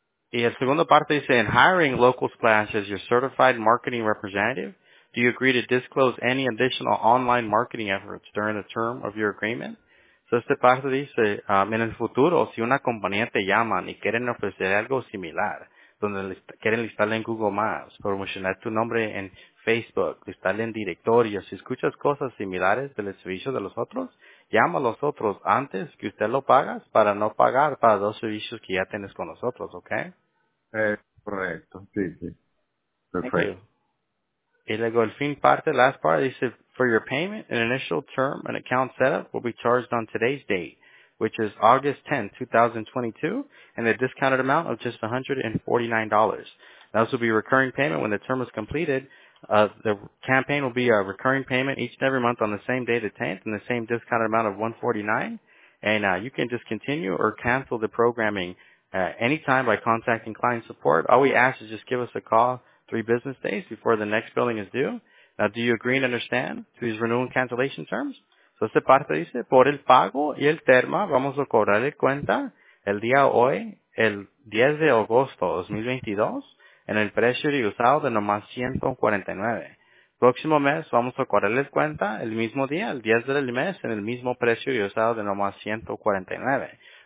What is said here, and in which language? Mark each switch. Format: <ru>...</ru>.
<es>Y el segundo parte dice,</es> <en>in hiring Local Splash as your certified marketing representative, do you agree to disclose any additional online marketing efforts during the term of your agreement?</en> <es>So este parte dice, en el futuro, si una compañía te llama y quieren ofrecer algo similar, donde quieren listarle en Google Maps, promocionar tu nombre en Facebook, listarle en directorio, si escuchas cosas similares del servicio de los otros, llama a los otros antes que usted lo pagas para no pagar para 2 servicios que ya tienes con nosotros, ¿ok? Correcto, sí. Perfecto. Y luego el fin parte,</es> <en>last part,</en> <es>dice,</es> <en>for your payment, an initial term and account setup will be charged on today's date, which is August 10, 2022, and a discounted amount of just $149. This will be a recurring payment when the term is completed. The campaign will be a recurring payment each and every month on the same day, the 10th, and the same discounted amount of $149. And you can discontinue or cancel the programming anytime by contacting client support. All we ask is just give us a call 3 business days before the next billing is due. Now, do you agree and understand these renewal and cancellation terms?</en> <es>So, esta parte dice, por el pago y el termo, vamos a cobrar el cuenta el día hoy, el 10 de agosto 2022. En el precio y usado de nomás $149. Próximo mes vamos a cobrarles cuenta el mismo día, el 10 del mes, en el mismo precio y usado de nomás $149.</es>